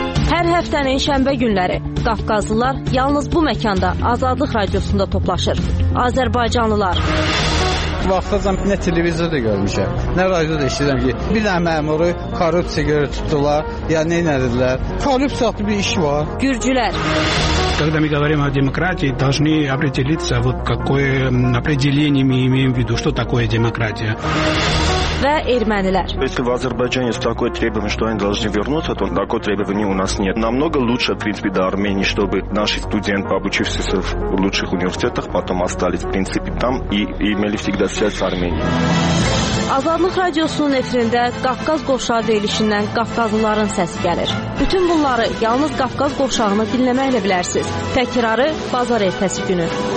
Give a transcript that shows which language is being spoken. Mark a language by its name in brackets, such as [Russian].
[Azerbaijani] Hər həftənin şənbə günləri Qafqazlılar yalnız bu məkanda Azadlıq Radiosunda toplaşır. Azərbaycanlılar. Vaxtacan nə televizorda görmüşəm, nə radioda işləyirəm ki, bir dənə məmuru korrupsiya görə tutdular, ya nə edirlər? Korrupsiya adlı bir iş var. Gürcülər. [Russian] Когда мы говорим о демократии, должны определиться, вот какое определение мы имеем в виду, что такое демократия. [Azerbaijani] Və ermənilər. [Russian] Если в Азербайджане такое требование, что они должны вернуться, то такое требование у нас нет. Намного лучше, в принципе, до Армении, чтобы наши студенты, обучившиеся в лучших университетах, потом остались, в принципе, там и имели всегда связь с Арменией. [Azerbaijani] Azadlıq Radiosunun efirində Qafqaz Qovşağı deyilişindən Qafqazlıların səsi gəlir. Bütün bunları yalnız Qafqaz Qovşağını dinləməklə bilərsiniz. Təkrarı bazar ertəsi günü.